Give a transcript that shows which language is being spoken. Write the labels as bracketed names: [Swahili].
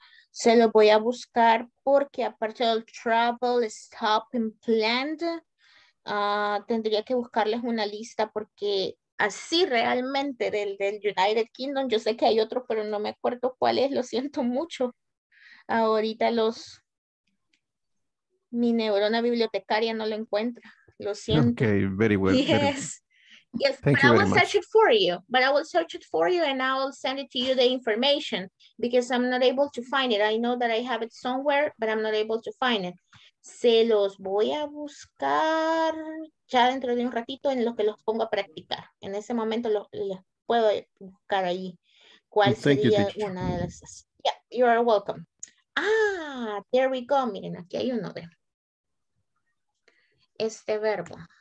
[Spanish] Se lo voy a buscar porque aparte del travel, stop and planned, tendría que buscarles una lista porque así realmente del United Kingdom. Yo sé que hay otro, pero no me acuerdo cuál es. Lo siento mucho. Ahorita los mi neurona bibliotecaria no lo encuentra. Lo siento. [English] Okay, very well. Yes. Yes, but I will search it for you. But I will search it for you and I will send it to you the information because I'm not able to find it. I know that I have it somewhere, but I'm not able to find it. [Spanish] Se los voy a buscar ya dentro de un ratito en lo que los pongo a practicar. En ese momento los puedo buscar ahí. ¿Cuál sería una de esas? [English] Yeah, you are welcome. Ah, there we go. [Spanish] Miren, aquí hay uno de este verbo.